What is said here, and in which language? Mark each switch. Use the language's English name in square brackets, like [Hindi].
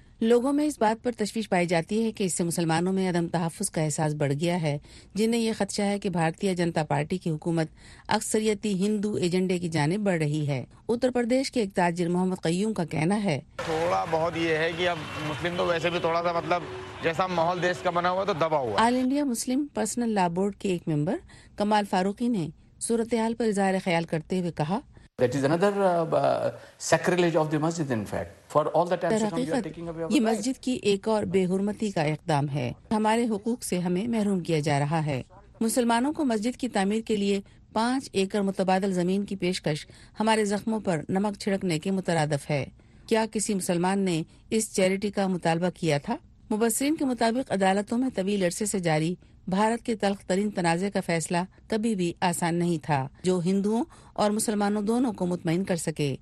[Urdu] لوگوں میں اس بات پر تشویش پائی جاتی ہے کہ اس سے مسلمانوں میں عدم تحفظ کا احساس بڑھ گیا ہے, جنہیں یہ خدشہ ہے کہ بھارتیہ جنتا پارٹی کی حکومت اکثریتی ہندو ایجنڈے کی جانب بڑھ رہی ہے. اتر پردیش کے ایک تاجر محمد قیوم کا کہنا ہے, تھوڑا بہت یہ ہے کہ اب مسلم تو ویسے بھی تھوڑا سا مطلب جیسا ماحول دیش کا بنا ہوا تو دبا ہوا. آل انڈیا مسلم پرسنل لا بورڈ کے ایک ممبر کمال فاروقی نے صورتحال پر اظہار خیال کرتے ہوئے کہا, [English] That is another sacrilege of the masjid, in fact. For all the time, you are taking away our [Urdu] یہ مسجد کی ایک اور بے حرمتی کا اقدام ہے. ہمارے حقوق سے ہمیں محروم کیا جا رہا ہے. مسلمانوں کو مسجد کی تعمیر کے لیے 5 ایکڑ متبادل زمین کی پیشکش ہمارے زخموں پر نمک چھڑکنے کے مترادف ہے. کیا کسی مسلمان نے اس چیریٹی کا مطالبہ کیا تھا؟ مبصرین کے مطابق عدالتوں میں طویل عرصے سے جاری بھارت کے تلخ ترین تنازع کا فیصلہ کبھی بھی آسان نہیں تھا جو ہندوؤں اور مسلمانوں دونوں کو مطمئن کر سکے.